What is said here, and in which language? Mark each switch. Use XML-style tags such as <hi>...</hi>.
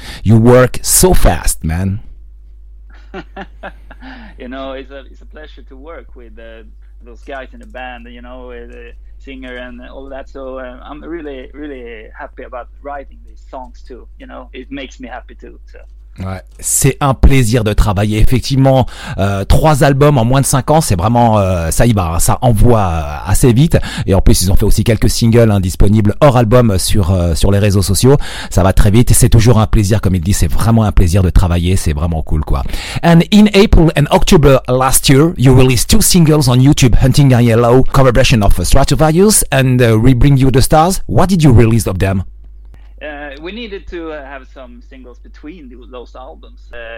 <en>You work so fast, man. You know, it's a pleasure to work with those guys in the band, you know, with the singer and all that. So I'm really, really happy about writing these songs too. You know, it makes me happy too. So.</en> <fr>Ouais, c'est un plaisir de travailler. Effectivement, 3 albums en moins de 5 ans, c'est vraiment ça y va, hein, ça envoie assez vite. Et en plus, ils ont fait aussi quelques singles disponibles hors album sur les réseaux sociaux. Ça va très vite. C'est toujours un plaisir, comme il dit. C'est vraiment un plaisir de travailler. C'est vraiment cool, quoi.</fr> <en>And in April and October last year, you released 2 singles on YouTube: Hunting in Yellow, cover version of Stratovarius, and We Bring You the Stars. What did you release of them? We needed to have some singles between those albums.</en>